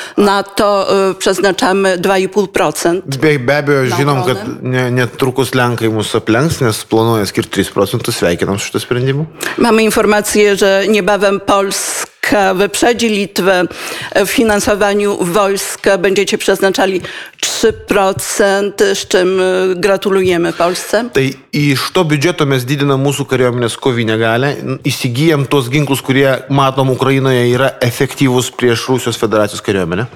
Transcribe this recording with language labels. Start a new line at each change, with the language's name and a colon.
Polish: Na to przeznaczamy 2,5%.
Lithuanian: Be abejo, žinom, kad netrukus Lenkai mus aplenks, nes planuoja skirti 3%, to sveikinam su šitą sprendimą.
Polish: Mamy informację, że niebawem Polska wyprzedzi Litwę w finansowaniu wojska. Będziecie przeznaczali 3%, z czym gratulujemy Polsce.
Lithuanian: Tai iš to biudžeto mes didinam mūsų kariuomenės kovinę galę, įsigijam tuos ginklus, kurie matom Ukrainoje yra efektyvus prieš Rusijos Federacijos kariuomenę.